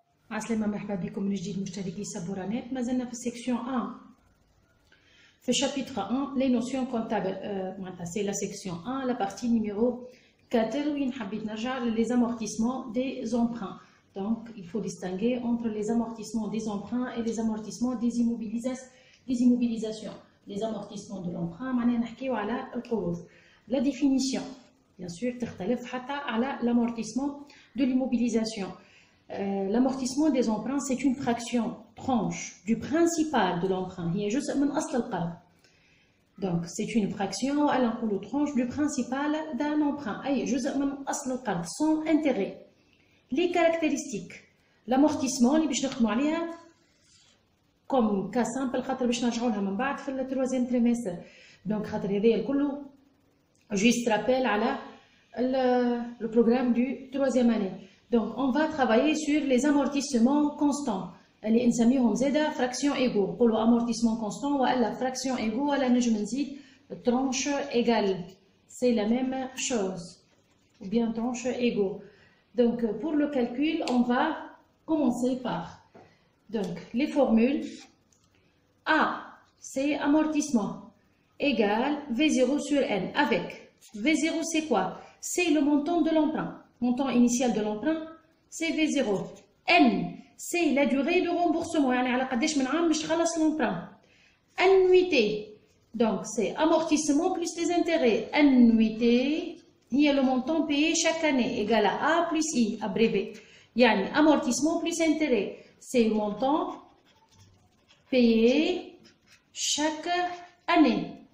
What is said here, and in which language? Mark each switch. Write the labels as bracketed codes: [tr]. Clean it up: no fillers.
[ar] عسلامة، مرحبا بكم من جديد مشتركي سابورانيت. ما زلنا في السيكسيون 1، في شابيتر 1 لي نوسيون كونتابل، معناتها سي لا سيكسيون 1 لا بارتي نيميرو 4، وين حبيت نرجع لي زامورتيسمون دي زومبران. [fr] دونك il faut distinguer entre les amortissements des emprunts et les amortissements des immobilisations. Les amortissements de l'emprunt, [ar] معناها نحكيو على القروض. [fr] La définition, bien sûr, [ar] تختلف حتى على [fr] l'amortissement de l'immobilisation. L'amortissement des emprunts, c'est une fraction, tranche, du principal de l'emprunt. Il y a juste [ar] من أصل القرض. [fr] Donc, c'est une fraction, à l'encolo tranche, du principal d'un emprunt. Il y a juste [ar] من أصل القرض, [fr] sans intérêt. Les caractéristiques. L'amortissement, [ar] اللي باش نخدموا عليها, [fr] comme cas simple, [ar] خاطر باش نرجعولها من بعد في الثلاثيام تريمستر. [fr] Donc, [ar] خاطر هذايا الكل, [fr] juste rappel à le programme du troisième année. Donc, on va travailler sur les amortissements constants. Les [ar] insamihom zeda, [fr] fraction égaux. Pour l'amortissement constant, ou la fraction égaux, ou la nejmenzi, tranche égale. C'est la même chose. Ou bien tranche égaux. Donc, pour le calcul, on va commencer par donc, les formules. A, c'est amortissement égal V0 sur N. Avec V0, c'est quoi? C'est le montant de l'emprunt. Montant initial de l'emprunt, c'est V0. N, c'est la durée de remboursement. [ar] يعني على قديش من عام باش تخلص l'emprunt. [fr] Annuité, donc c'est amortissement plus les intérêts. Annuité, il y a le montant payé chaque année, égal à A plus I, abrévé. [ar] Yani, [fr] amortissement plus intérêt, c'est le montant payé chaque année.